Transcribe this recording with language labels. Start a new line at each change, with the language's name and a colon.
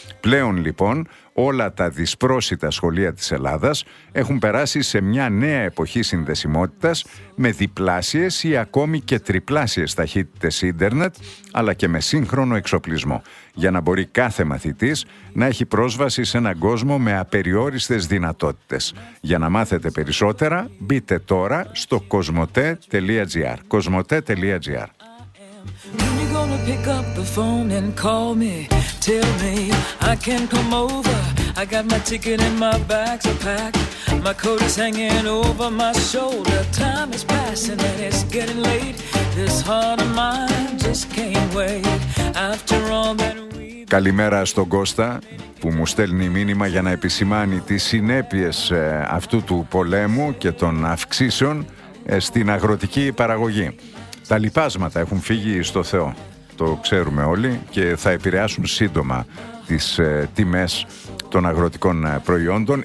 Greek: Πλέον, λοιπόν, όλα τα δυσπρόσιτα σχολεία της Ελλάδας έχουν περάσει σε μια νέα εποχή συνδεσιμότητας με διπλάσιες ή ακόμη και τριπλάσιες ταχύτητες ίντερνετ, αλλά και με σύγχρονο εξοπλισμό, για να μπορεί κάθε μαθητής να έχει πρόσβαση σε έναν κόσμο με απεριόριστες δυνατότητες. Για να μάθετε περισσότερα, μπείτε τώρα στο cosmote.gr. cosmote.gr.
English: Gonna pick up the phone and call me. Tell me I can come over. I got my ticket and my bags are packed. My coat is hanging over my shoulder. Time is passing and it's getting late. This heart of mine just can't wait. After all that we...
Greek: Καλημέρα στον Κώστα που μου στέλνει μήνυμα για να επισημάνει τις συνέπειες αυτού του πολέμου και των αυξήσεων στην αγροτική παραγωγή. Τα λοιπάσματα έχουν φύγει στο Θεό, το ξέρουμε όλοι, και θα επηρεάσουν σύντομα τις τιμές των αγροτικών προϊόντων.